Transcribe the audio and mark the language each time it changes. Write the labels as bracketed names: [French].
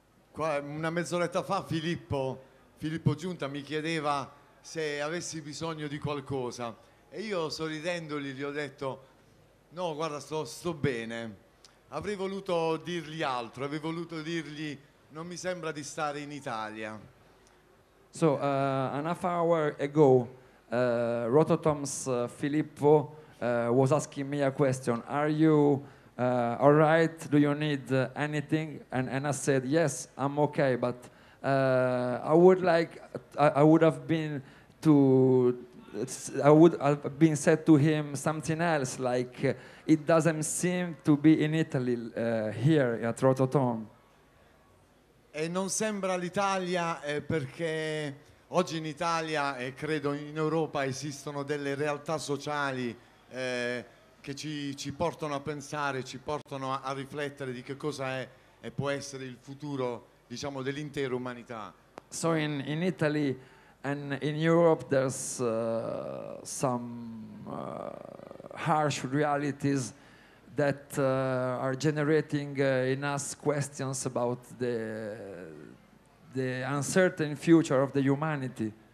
[Italian] Qua una mezz'oretta fa Filippo Giunta mi chiedeva se avessi bisogno di qualcosa, e io sorridendogli gli ho detto: no, guarda, sto bene. Avrei voluto dirgli altro, avrei voluto dirgli: non mi sembra di stare in Italia. [English] So an half hour ago Rototom's Filippo was asking me a question: are you all right, do you need anything? And I said yes, I'm okay, but I would have been said to him something else, like it doesn't seem to be in Italy here at Rototom. [Italian] E non sembra l'Italia perché oggi in Italia e credo in Europa esistono delle realtà sociali che ci portano a pensare, ci portano a riflettere di che cosa è e può essere il futuro, diciamo, dell'intera umanità. [English] So in Italy and in Europe there's some harsh realities that are generating in us questions about the uncertain future of the humanity.